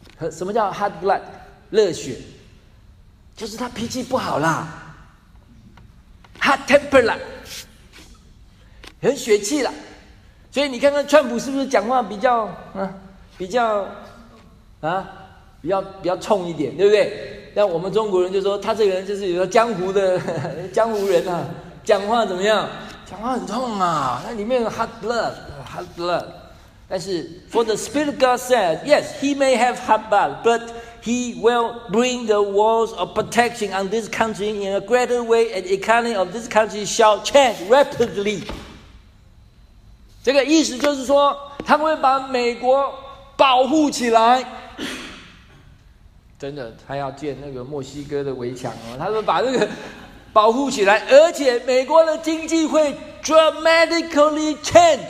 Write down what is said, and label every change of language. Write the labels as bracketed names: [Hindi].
[Chinese] 什么叫 hot blood？ 热血，就是他脾气不好啦， hot temper 啦，很血气了。所以你看看川普是不是讲话比较比较冲一点，对不对？那我们中国人就说他这个人就是有江湖的江湖人啊，讲话怎么样？讲话很痛啊，那里面有 hot blood。但是 [English] ，For the Spirit of God said, yes, He may have hot blood, but He will bring the walls of protection on this country in a greater way, and the economy of this country shall change rapidly. [Chinese] 这个意思就是说，他会把美国保护起来。真的，他要建那个墨西哥的围墙哦，他说把这个保护起来，而且美国的经济会 [English] dramatically change。